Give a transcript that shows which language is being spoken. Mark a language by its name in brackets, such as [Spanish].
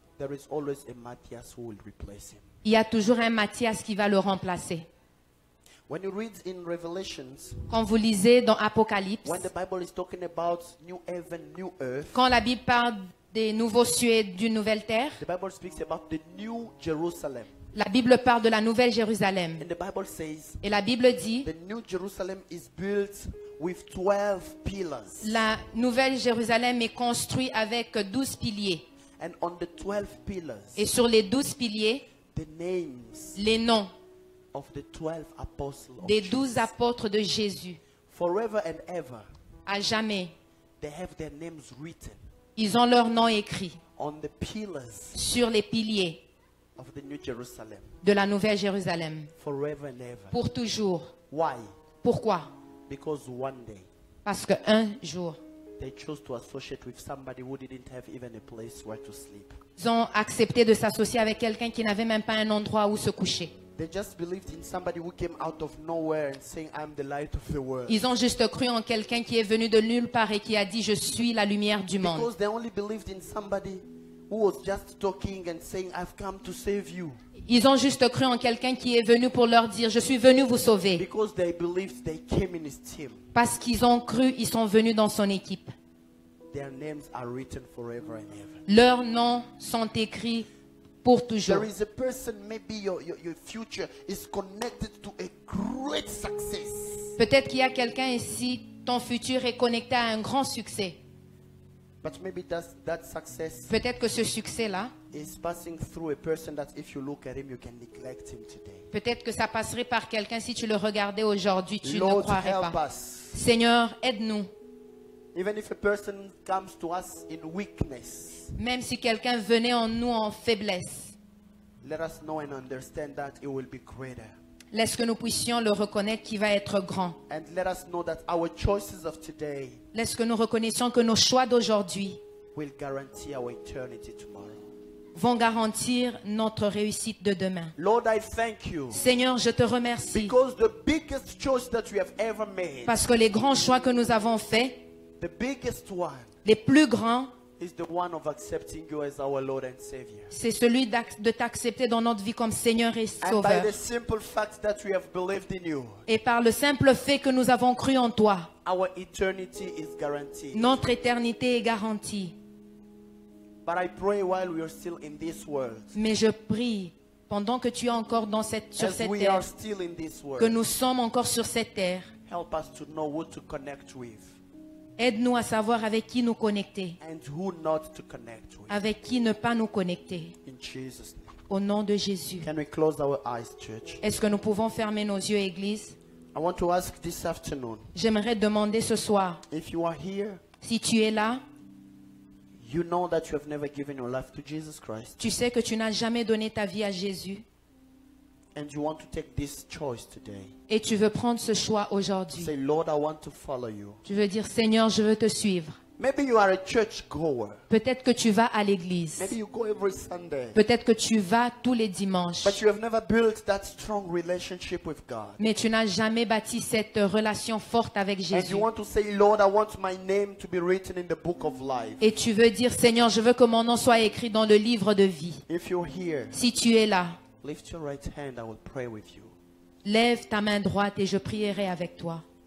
[English] there is always a Matthias who will replace him. [French] Il y a toujours un Matthias qui va le remplacer. [English] When you read in Revelations, [French] quand vous lisez dans Apocalypse, [English] when the Bible is talking about new heaven, new earth, [French] quand la Bible parle des nouveaux cieux et d'une nouvelle terre, [English] the Bible speaks about the new Jerusalem. [French] La Bible parle de la nouvelle Jérusalem. [English] And the Bible says, [French] et la Bible dit, [English] the new Jerusalem is built with 12 pillars. [French] La nouvelle Jérusalem est construite avec 12 piliers. [English] And on the 12 pillars, [French] et sur les 12 piliers, [English] the names, [French] les noms [English] of the 12 apostles [French] des 12 apôtres de Jésus, [English] forever and ever, [French] à jamais, [English] they have their names written, [French] ils ont leur nom écrit [English] on the pillars, [French] sur les piliers [English] of the new Jerusalem, [French] de la nouvelle Jérusalem, [English] forever and ever, [French] pour toujours. [English] Why? [French] Pourquoi? [English] Because one day, [French] parce que un jour, [English] they chose to associate with somebody who didn't have even a place where to sleep. [French] Ils ont accepté de s'associer avec quelqu'un qui n'avait même pas un endroit où se coucher. [English] They just believed in somebody who came out of nowhere and saying, "I'm the light of the world." [French] Ils ont juste cru en quelqu'un qui est venu de nulle part et qui a dit, "Je suis la lumière du monde." [English] Because they only believed in somebody who was just talking and saying, "I've come to save you." [French] Ils ont juste cru en quelqu'un qui est venu pour leur dire, "Je suis venu vous sauver." [English] Because they believed they came in his team. [French] Parce qu'ils ont cru, ils sont venus dans son équipe. [English] Their names are written forever and ever. [French] Leurs noms sont écrits pour toujours. [English] There is a person, maybe your future is connected to a great success. [French] Peut-être qu'il y a quelqu'un ici, ton futur est connecté à un grand succès. [English] But maybe that success, [French] peut-être que ce succès-là, [English] is passing through a person that if you look at him, you can neglect him today. [French] Peut-être que ça passerait par quelqu'un si tu le regardais aujourd'hui, tu [English] Lord, [French] ne croirais [English] help [French] pas. [English] Us. [French] Seigneur, aide-nous. [English] Even if a person comes to us in weakness, [French] même si quelqu'un venait en nous en faiblesse, [English] let us know and understand that it will be greater. [French] Laisse que nous puissions le reconnaître qui va être grand. [English] And let us know that our choices of today, [French] laisse que nous reconnaissions que nos choix d'aujourd'hui [English] will guarantee our eternity tomorrow. [French] Vont garantir notre réussite de demain. [English] Lord, I thank you. [French] Seigneur, je te remercie. [English] Because the biggest choice that we have ever made, [French] parce que les grands choix que nous avons faits, [English] the biggest one, [French] les plus grands, [English] is the one of accepting you as our Lord and Savior. [French] C'est celui de t'accepter dans notre vie comme Seigneur et Sauveur. [English] And by the simple fact that we have believed in you, [French] et par le simple fait que nous avons cru en toi, [English] our eternity is guaranteed. [French] Notre éternité est garantie. [English] But I pray while we are still in this world, [French] mais je prie pendant que tu es encore dans cette, sur [English] as [French] cette [English] we [French] terre, [English] are still in this world, [French] que nous sommes encore sur cette terre. [English] Help us to know who to connect with. [French] Aide-nous à savoir avec qui nous connecter. [English] And who not to connect with. [French] Avec qui ne pas nous connecter. [English] In Jesus name. [French] Au nom de Jésus. [English] Can we close our eyes, church? [French] Est-ce que nous pouvons fermer nos yeux, Église? [English] I want to ask this afternoon, [French] j'aimerais demander ce soir, [English] if you are here, [French] si tu es là, [English] you know that you have never given your life to Jesus Christ. [French] Tu sais que tu n'as jamais donné ta vie à Jésus. [English] And you want to take this choice today. [French] Et tu veux prendre ce choix aujourd'hui. [English] Say, Lord, I want to follow you. [French] Tu veux dire, Seigneur, je veux te suivre. [English] Maybe you are a church goer. [French] Peut-être que tu vas à l'église. [English] Maybe you go every Sunday. [French] Peut-être que tu vas tous les dimanches. [English] But you have never built that strong relationship with God. [French] Mais tu n'as jamais bâti cette relation forte avec Jésus. [English] And you want to say, Lord, I want my name to be written in the book of life. [French] Et tu veux dire, Seigneur, je veux que mon nom soit écrit dans le livre de vie. [English] If you're here, [French] si tu es là, [English] lift your right hand, I will pray with you. [French] Lève ta main droite et je prierai avec toi.